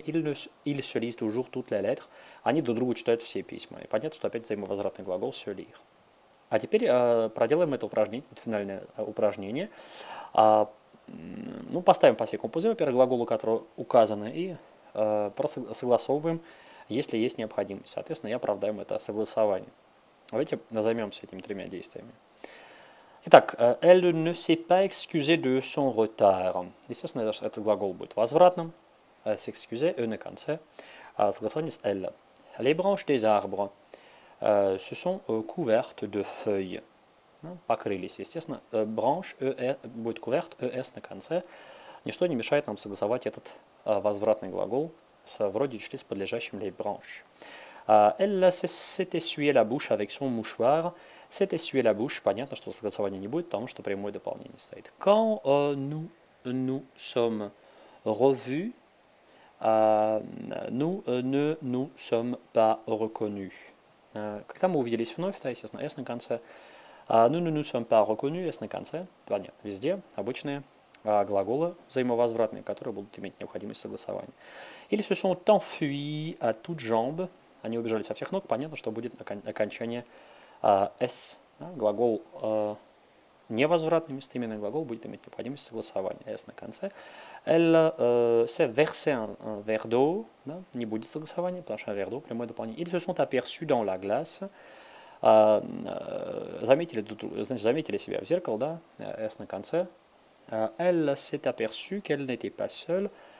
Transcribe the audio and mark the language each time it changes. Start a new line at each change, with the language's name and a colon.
French: Il se lit toujours toutes les lettres.
Russian: Они друг другу читают все письма. И понятно, что опять взаимовозвратный глагол se lit. А теперь проделаем это упражнение, финальное упражнение. Ну, поставим passé composé, во-первых, глаголы, которые указаны, и согласовываем. Если есть необходимость, соответственно, я оправдаю это согласование. Давайте займемся этими тремя действиями.
French: Итак, elle ne s'est pas excusée de son retard.
Russian: Естественно, этот глагол будет возвратным. S'excuser, e на конце. Согласование с elle.
French: Les branches des arbres se sont couvertes de feuilles.
Russian: ясно, покрылись, естественно. Branch будет couvert, ES на конце. Ничто не мешает нам согласовать этот возвратный глагол с вроде числи с подлежащим les branches.
French: Elle s'est essuyé la bouche avec son mouchoir. S'est essuyé la bouche.
Russian: Понятно, что согласования не будет, потому что прямое дополнение стоит.
French: Quand nous sommes revus, nous ne nous sommes pas reconnus.
Russian: Когда мы увиделись вновь, да, естественно, S на конце.
French: Nous ne nous sommes pas reconnus,
Russian: S на конце. Понятно, везде обычные глаголы взаимовозвратные, которые будут иметь необходимость согласования.
French: Ils se sont enfuis à toutes jambes.
Russian: Они убежали со всех ног. Понятно, что будет окончание S. Да, глагол невозвратный, местоименный глагол, будет иметь необходимость согласования. S на конце.
French: Elle s'est versé un verre d'eau.
Russian: Да, не будет согласования, потому что verre d'eau, прямое дополнение.
French: Ils se sont aperçus dans la glace.
Russian: Заметили, значит, заметили себя в зеркало, да, S на конце.
French: Elle s'est aperçue qu'elle n'était pas seule.